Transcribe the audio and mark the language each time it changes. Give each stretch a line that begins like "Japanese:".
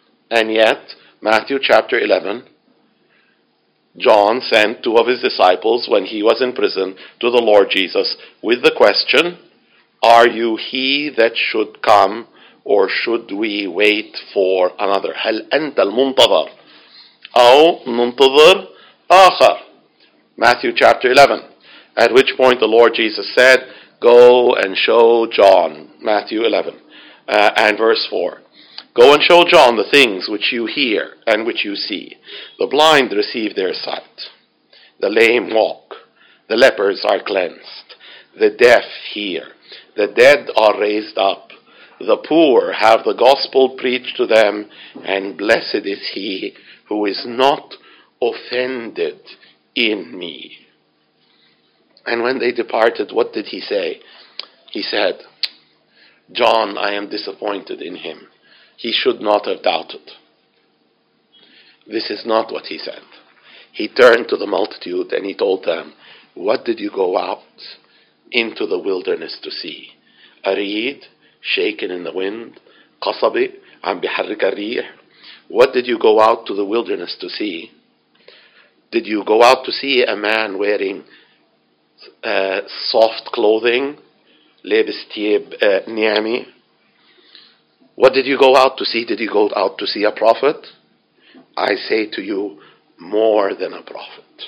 English: And yet, Matthew chapter 11, John sent two of his disciples when he was in prison to the Lord Jesus with the question, are you he that should come, or should we wait for another?
Arabic: هل أنت المنتظر أو منتظر آخر?
English: Matthew chapter 11. At which point the Lord Jesus said, go and show John. Matthew 11 and verse 4. Go and show John the things which you hear and which you see. The blind receive their sight. The lame walk. The lepers are cleansed. The deaf hear. The dead are raised up. The poor have the gospel preached to them, and blessed is he who is not offended in me. And when they departed, what did he say? He said, John, I am disappointed in him. He should not have doubted. This is not what he said. He turned to the multitude and he told them, what did you go out into the wilderness to see? A reed? Shaken in the wind,
Arabic: قصبي عم بحرك الريح.
English: What did you go out to the wilderness to see? Did you go out to see a man wearing soft clothing,
Arabic: لابس ثياب نعمي?
English: What did you go out to see? Did you go out to see a prophet? I say to you, more than a prophet.